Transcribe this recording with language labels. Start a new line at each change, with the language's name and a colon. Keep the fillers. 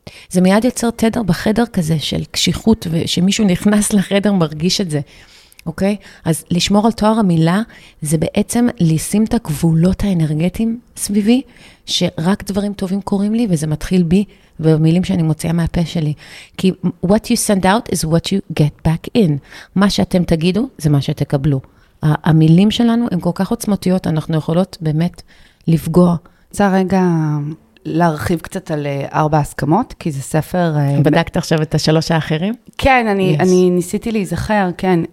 Hebrew: זה מיד יוצר תדר בחדר כזה של קשיחות, ושמישהו נכנס לחדר מרגיש את זה, אוקיי? Okay? אז לשמור על תואר המילה, זה בעצם לשים את הגבולות האנרגטיים סביבי, שרק דברים טובים קורים לי, וזה מתחיל בי ובמילים שאני מוציאה מהפה שלי.
English: כי what you send out is what you get back in.
Hebrew: מה שאתם תגידו, זה מה שתקבלו. המילים שלנו הן כל כך עוצמתיות, אנחנו יכולות באמת לפגוע. צריך רגע להרחיב קצת על ארבע הסכמות, כי זה ספר... בדקת עכשיו את השלוש האחרים? כן, אני, yes. אני ניסיתי להיזכר, כן.